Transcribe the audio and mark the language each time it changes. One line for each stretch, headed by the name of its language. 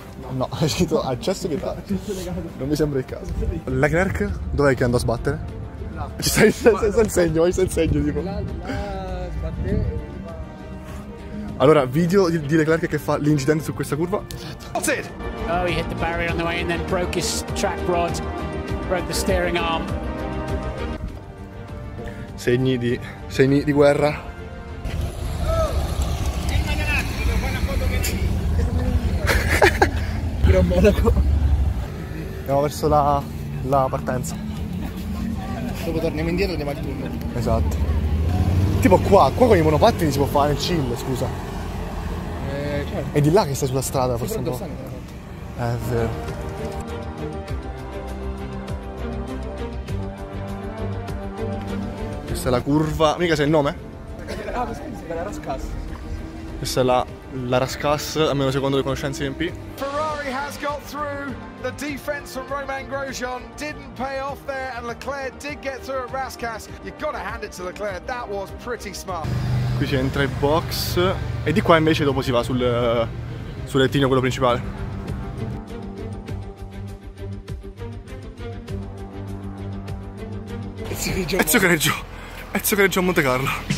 Italian: No, è scritto accesso vietato. Non mi sembra il caso. Leclerc, dov'è che andò a sbattere? Là. Stai senza il segno, tipo. Là sbatte. Allora, video di Leclerc che fa l'incidente su questa curva. Esatto.
English: Oh, he hit the barrier on the way and then broke his track rod, broke the steering arm.
Italian: Segni di guerra. Gran Monaco. Andiamo verso la partenza. Dopo torniamo indietro e andiamo al tunnel. Esatto. Tipo qua con i monopattini si può fare nel chill, scusa. Certo. È di là che stai sulla strada, forse un po'. È vero. Questa è la curva. Mica sai il nome? Ah, ma scusi, è la Rascas. Questa è la Rascas, almeno secondo le conoscenze di MP.
English: Ferrari has got through. The defense from Romain Grosjean didn't pay off there and Leclerc did get through at Rascas. You gotta hand it to Leclerc, that was pretty smart.
Italian: Qui si entra in box e di qua invece dopo si va sul rettilineo, quello principale. Ezio Greggio a Monte Carlo.